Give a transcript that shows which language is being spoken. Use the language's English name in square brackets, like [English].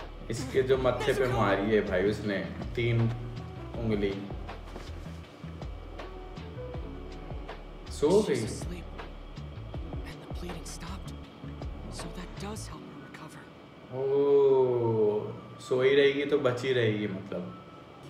[Hindi] इसके जो मत्थे पे मारी है भाई उसने तीन उंगली सो गई। [English] And the bleeding stopped. So that does help her recover. [Hindi] Oh, सो ही रहेगी तो बची रहेगी मतलब।